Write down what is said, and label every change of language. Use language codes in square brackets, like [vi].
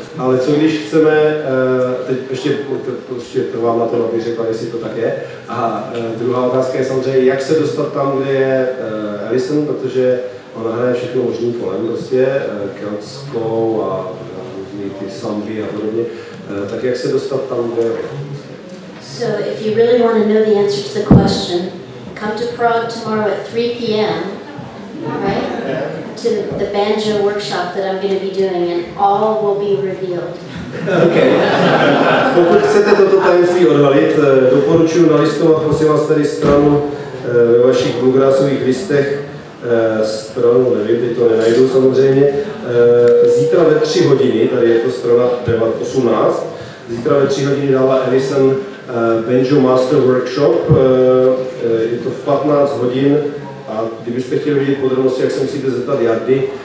[cs] Ale co když chceme, teď ještě trvám na tom, abych řekl, jestli to tak je. A druhá otázka je samozřejmě, jak se dostat tam, kde je Alison, protože ona hraje všechno možný kolem, prostě keltskou a různý ty samby a podobně. Tak jak se dostat tam, kde je? [en] So if you really want to know the answer to the question, come to Prague tomorrow at 3 p.m., right? To the banjo workshop that I'm going to be doing, and all will be revealed. Okay. [cs] Pokud chcete toto tajemství odhalit, doporučuji nalistovat, prosím vás, tady stranu ve vašich bluegrassových listech, stranu, nevím, teď to nenajdu samozřejmě. Zítra ve 3 hodiny, tady je to strana 18, zítra ve 3 hodiny dává Alison Banjo Master Workshop, je to v 15 hodin a kdybyste chtěli vidět podrobnosti, jak se musíte zeptat Jardy.